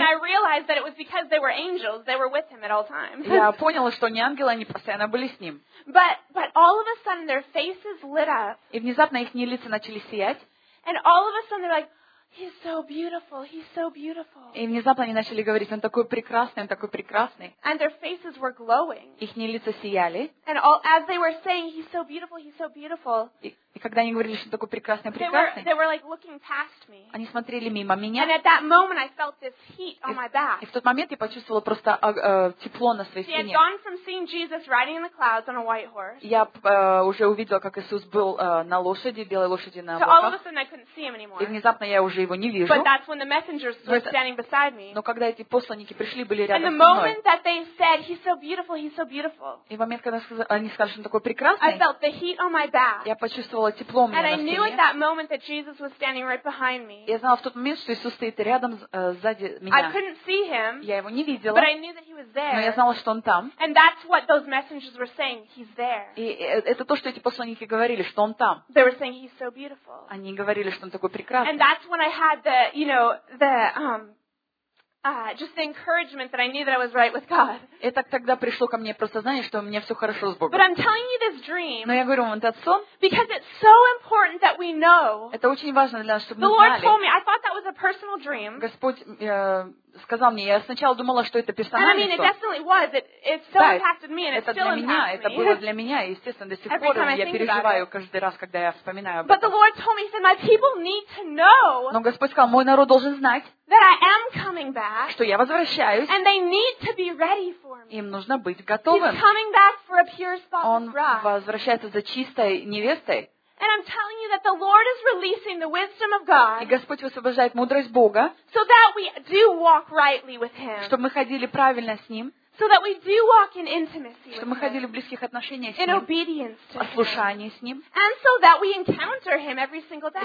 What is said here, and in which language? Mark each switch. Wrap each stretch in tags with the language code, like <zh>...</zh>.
<en>And I realized that it was because they were angels, they were with Him at all times.</en> <ru>Я поняла, что не ангелы, они постоянно были с Ним.</ru> <en>But all of a sudden their faces lit up.</en> <ru>И внезапно их лица начали сиять.</ru> <en>And all of a sudden they're like, He's so beautiful. He's so beautiful.</en> <ru>И внезапно они начали говорить: он такой прекрасный, он такой прекрасный.</ru> <en>And their faces were glowing.</en> <ru>Ихние лица сияли.</ru> <en>And all, as they were saying, he's so beautiful, he's so beautiful.</en> <ru>И когда они говорили, что он такой прекрасный, прекрасный.</ru> <en>They were like looking past me.</en> <ru>Они смотрели мимо меня.</ru> <en>And at that moment, I felt this heat on my back.</en> <ru>И в тот момент я почувствовала просто тепло на своей спине.</ru> <en>See, I'd gone from seeing Jesus riding in the clouds on a white horse.</en> <ru>Я уже увидела, как Иисус был на лошади, белой лошади на облаках.</ru> <en>So all of a sudden, I couldn't see him anymore.</en> <ru>И внезапно я уже его не вижу.</ru> <en>But that's when the messengers were standing beside me.</en> <ru>Но когда эти посланники пришли, были рядом со мной.</ru> <en>And the moment that they said, "He's so beautiful, he's so beautiful."</en> <ru>И в момент, когда они сказали, что он такой прекрасный.</ru> <en>I felt the heat on my back.</en> <ru>Я почувствовала тепло у меня на спине.</ru> <en>And I knew at that moment that Jesus was standing right behind me.</en> <ru>Я знала в тот момент, что Иисус стоит рядом сзади меня.</ru> <en>I couldn't see him.</en> <ru>Я его не видела.</ru> <en>But I knew that he was there.</en> <ru>Но я знала, что он там.</ru> <en>And that's what those messengers were saying. He's there.</en> <ru>И это то, что эти посланники говорили, что он там.</ru> <en>They were saying he's so beautiful.</en> <ru>Они говорили, что он такой прекрасный.</ru> <en>And that's when I had the, you know, the just the encouragement that I knew that I was right with God.</en> <ru>Это тогда пришло ко мне просто знание, что у меня все хорошо с Богом.</ru> <en>But I'm telling you this dream.</en> <ru>Но я говорю вам этот сон.</ru> <en>Because it's so important that we know.</en> <ru>Это очень важно для нас, чтобы мы знали.</ru> <en>The Lord told me. I thought that was a personal dream.</en> <ru>Господь сказал мне. Я сначала думала, что это персональный сон.</ru> <en>I mean, it definitely was. It so impacted me, and it still impacts me.</en> <ru>Это для меня. Это было для меня, естественно, до сих пор я переживаю каждый раз, когда я вспоминаю об этом.</ru> <en>But the Lord told me, he said, my people need to know.</en> <ru>Но Господь сказал, мой народ должен знать.</ru> <en>That I am coming back.</en> <ru>Что я возвращаюсь.</ru> <en>And they need to be ready for me.</en> <ru>Им нужно быть готовым.</ru> <en>He's coming back for a pure spotless</en> <ru>Он возвращается за чистой невестой.</ru> <en>And I'm telling you that the Lord is releasing the wisdom of God.</en> <ru>И Господь высвобождает мудрость Бога.</ru> <en>So that we do walk rightly with Him.</en> <ru>Чтобы мы ходили правильно с Ним.</ru> <en>So that we do walk in intimacy.</en> <ru>Чтобы мы ходили в близких отношениях с</ru> <en>in</en> <ru>Ним.</ru> <en>In obedience to Him.</en> <ru>Послушание с Ним.</ru> <en>And so that we encounter Him every single day.</en>